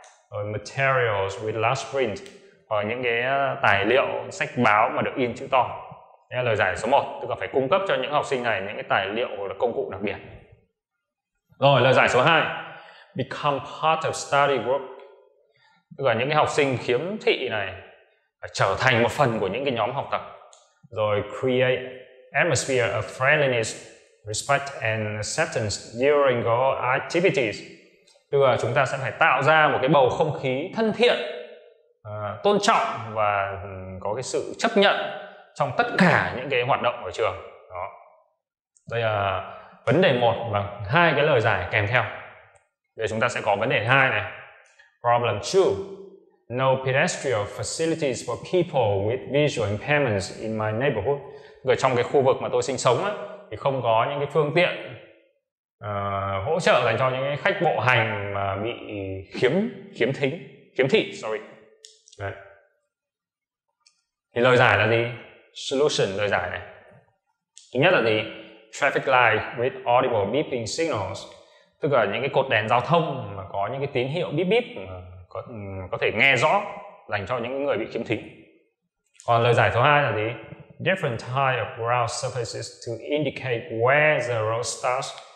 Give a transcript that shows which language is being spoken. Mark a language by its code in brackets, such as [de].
[vi] Rồi [en] materials with large print [vi] hoặc những cái tài liệu sách báo mà được in chữ to. Đây là lời giải số 1, tức là phải cung cấp cho những học sinh này những cái tài liệu hoặc là công cụ đặc biệt. Rồi lời giải số 2. [en] Become part of study group. [vi] Tức là những cái học sinh khiếm thị này phải trở thành một phần của những cái nhóm học tập. [en] Rồi create atmosphere of friendliness, respect and acceptance during your activities. [vi] Tức là chúng ta sẽ phải tạo ra một cái bầu không khí thân thiện, tôn trọng và có cái sự chấp nhận trong tất cả những cái hoạt động ở trường. Đó. Đây là vấn đề 1 và 2 cái lời giải kèm theo. Để chúng ta sẽ có vấn đề 2 này. [en] Problem 2. No pedestrian facilities for people with visual impairments in my neighborhood. [vi] Người trong cái khu vực mà tôi sinh sống á, thì không có những cái phương tiện hỗ trợ dành cho những cái khách bộ hành mà bị khiếm thị. Đấy. Thì lời giải là gì? Solution lời giải này. Thứ nhất là gì? [en] Traffic light with audible beeping signals. [vi] Tức là những cái cột đèn giao thông mà có những cái tín hiệu bíp bíp có thể nghe rõ dành cho những người bị khiếm thính. Còn lời giải thứ hai là gì? [en] Different type of ground surfaces to indicate where the road starts.